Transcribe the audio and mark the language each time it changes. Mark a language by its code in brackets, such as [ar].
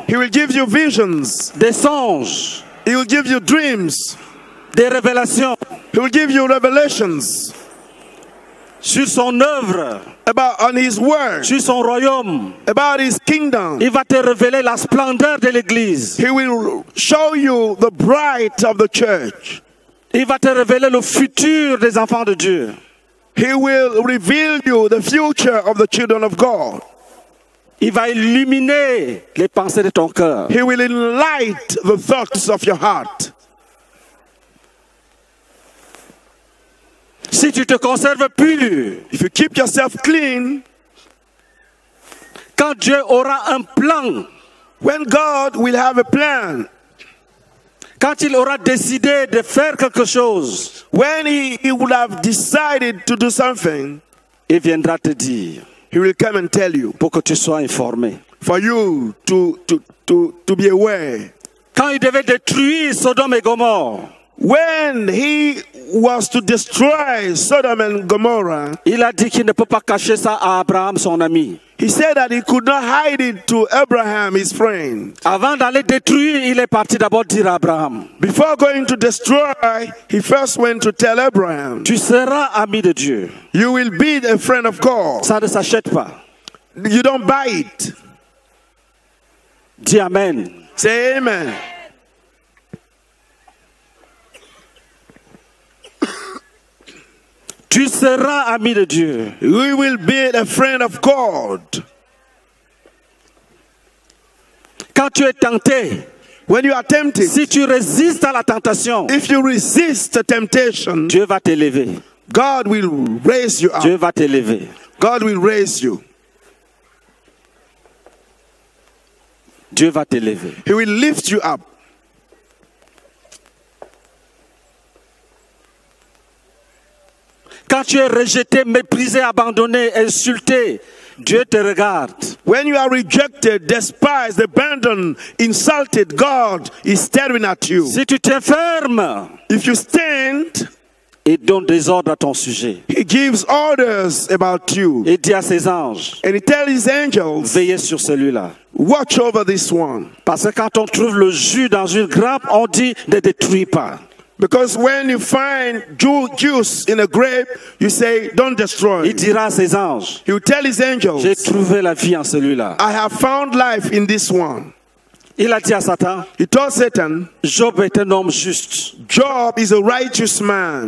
[en] He will give you visions. [fr] Des songes. [en] He will give you dreams. [fr] Des révélations. [en] He will give you revelations. [fr] Sur son œuvre. [en] About on his word. [fr] Sur son royaume. [en] About his kingdom. [fr] Il va te révéler la splendeur de l'église. [en] He will show you the bright of the church. [fr] Il va te révéler le futur des enfants de Dieu. [en] He will reveal you the future of the children of God. [fr] Il va illuminer les pensées de ton cœur. [en] He will enlight the thoughts of your heart. [fr] Si tu te conserves pur, [en] if you keep yourself clean, [fr] quand Dieu aura un plan, [en] when God will have a plan, [fr] quand il aura décidé de faire quelque chose, [en] when he will have decided to do something, [fr] il viendra te dire, [en] he will come and tell you, [fr] pour que tu sois informé, [en] for you to be aware. [fr] Quand il devait détruire Sodome et Gomorrhe, [en] when he was to destroy Sodom and Gomorrah, [fr] il a dit qu'il ne peut pas cacher ça à Abraham, son ami. [en] He said that he could not hide it to Abraham, his friend. [fr] Avant d'aller détruire, il est parti d'abord dire à Abraham. [en] Before going to destroy, he first went to tell Abraham. [fr] Tu seras ami de Dieu. [en] You will be a friend of God. [fr] Ça ne s'achète pas. [en] You don't buy it. [fr] Dis amen. [en] Say amen. [fr] Tu seras ami de Dieu. [en] We will be a friend of God. [fr] Quand tu es tenté, [en] when you are tempted, [fr] si tu résistes à la tentation, [en] if you resist the temptation, [fr] Dieu va t'élever. [en] God will raise you up. [fr] Dieu va t'élever. [en] God will raise you. [fr] Dieu va t'élever. [en] He will lift you up. [fr] Quand tu es rejeté, méprisé, abandonné, insulté, Dieu te regarde. [en] When you are rejected, despised, abandoned, insulted, God is staring at you. [fr] Si tu tiens ferme, [en] if you stand, [fr] il donne des ordres à ton sujet. [en] He gives orders about you. [fr] Il dit à ses anges, [en] and he tells his angels, [fr] veillez sur celui-là. [en] Watch over this one. [fr] Parce que quand on trouve le jus dans une grappe, on dit ne détruis pas. [en] Because when you find juice in a grape, you say, don't destroy. [fr] Il dira à ses anges, [en] he will tell his angels, [fr] j'ai trouvé la vie en celui-là. [en] I have found life in this one. [fr] Il a dit à Satan, [en] he told Satan, [fr] Job est un homme juste. [en] Job is a righteous man.